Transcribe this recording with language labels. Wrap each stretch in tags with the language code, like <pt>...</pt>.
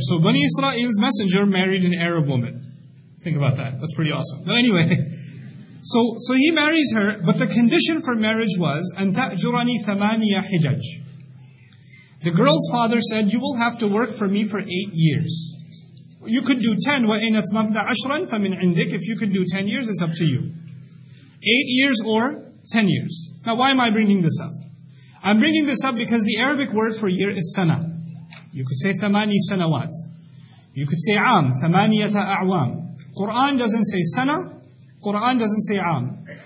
<en>So Bani Israel's messenger married an Arab woman. Think about that. That's pretty awesome. But anyway, So he marries her, but the condition for marriage was</en> <ar>أَنْتَأْجُرَنِي ثَمَانِيَ حِجَجْ.</ar> <en>The girl's father said, you will have to work for me for 8 years. You could do 10,</en> <ar>وَإِنْ أَتْمَمْتَ عَشْرًا فَمِنْ عِنْدِكْ.</ar> <en>If you could do 10 years, it's up to you. 8 years or 10 years. Now why am I bringing this up? I'm bringing this up because the Arabic word for year is sana. You could say thamani sanawat. You could say am, thamaniyata a'wam. Quran doesn't say sana, Quran doesn't say am.</en>